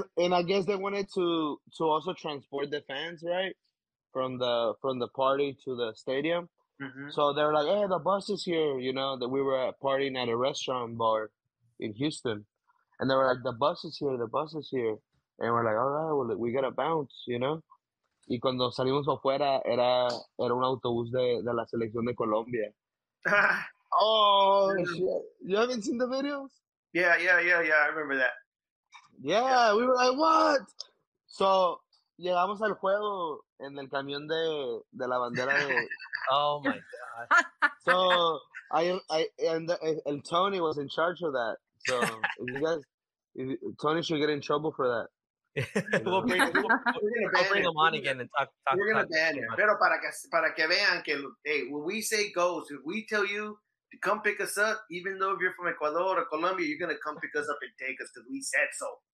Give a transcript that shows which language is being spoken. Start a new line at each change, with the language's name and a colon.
English: And I guess they wanted to also transport the fans, right, from the party to the stadium. Mm-hmm. So they're like, hey, the bus is here, you know, that we were at partying at a restaurant bar in Houston. And they were like, the bus is here. And we're like, all right, well, we got to bounce, you know.
Spanish: Y cuando salimos afuera, era un autobús de la selección de Colombia.
English: Oh, shit. You haven't seen the videos? Yeah, I remember that. Yeah, we were like, what?
Spanish: So, llegamos al juego en el camión de la bandera de...
English: Oh, my God. So, and Tony was in charge of that. So, Tony should get in trouble for that. we'll bring him on again and talk. We're gonna ban him.
Spanish: Pero para que vean que,
English: hey, when we say goes, if we tell you to come pick us up, even though if you're from Ecuador or Colombia, you're gonna come pick us up and take us because we said so.